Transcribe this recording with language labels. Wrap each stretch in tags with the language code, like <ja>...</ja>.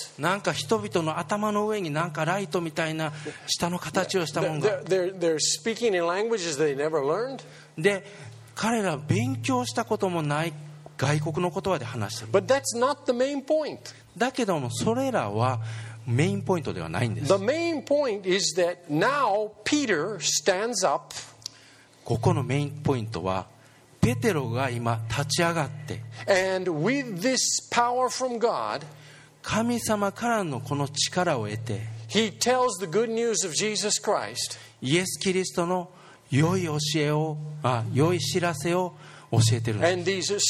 <ja>なんか人々の頭の上になんかライトみたいな下の形をしたものが。</ja> <en>They're speaking in languages they never learned.</en> <ja>で、彼ら勉強したこともない外国の言葉で話してる。</ja> <en>But that's not the main point.</en> <ja>だけどもそれらはメインポイントではないんです。</ja> <en>The main point is that now Peter stands up.</en> <ja>ここのメインポイントはペテロが今立ち上がって。</ja> <en>And with this power from God,</en> <ja>神様からのこの力を得て、</ja> <en>he tells the good news of Jesus Christ.</en> <ja>イエス・キリストの良い教えを、良い知らせを教えているんです。</ja>